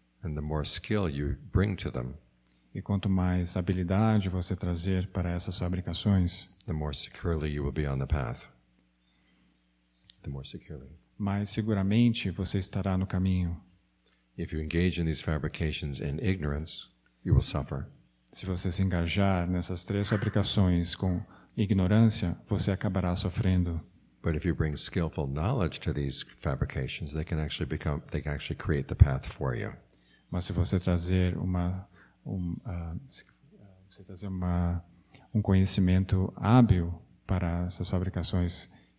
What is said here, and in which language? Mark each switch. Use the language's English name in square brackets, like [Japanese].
[English] And the more skill you bring to them, [Portuguese] E quanto mais habilidade você trazer para essas fabricações, [English] the more securely you will be on the path. The more securely. [Portuguese] Mais seguramente você estará no caminho. [English] If you engage in these fabrications in ignorance, you will suffer. [Portuguese] Se você se engajar nessas três fabricações com ignorância, você acabará sofrendo. [English] But if you bring skillful knowledge to these fabrications, they can actually create the path for you. [Portuguese] Mas se você trazer um conhecimento hábil para essas fabricações.